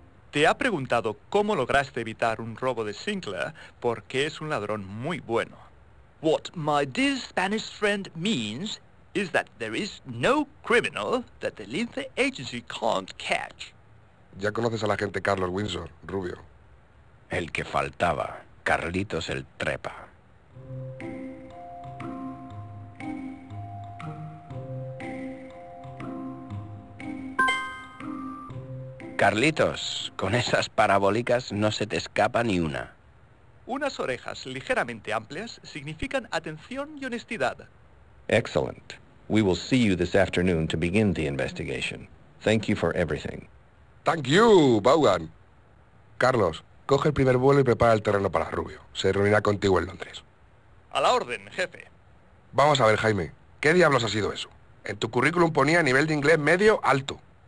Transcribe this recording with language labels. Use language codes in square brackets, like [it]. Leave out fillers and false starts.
[es] Te ha preguntado cómo lograste evitar un robo de Sinclair porque es un ladrón muy bueno. [en] What my dear Spanish friend means is that there is no criminal that the Lince agency can't catch. [es] Ya conoces al agente Carlos Windsor, Rubio. El que faltaba, Carlitos el Trepa. Carlitos, con esas parabólicas no se te escapa ni una. Unas orejas ligeramente amplias significan atención y honestidad. [en] Excellent. We will see you this afternoon to begin the investigation. Thank you for everything. Thank you, Vaughan. [es] Carlos, coge el primer vuelo y prepara el terreno para Rubio. Se reunirá contigo en Londres. A la orden, jefe. Vamos a ver, Jaime. ¿Qué diablos ha sido eso? En tu currículum ponía nivel de inglés medio alto.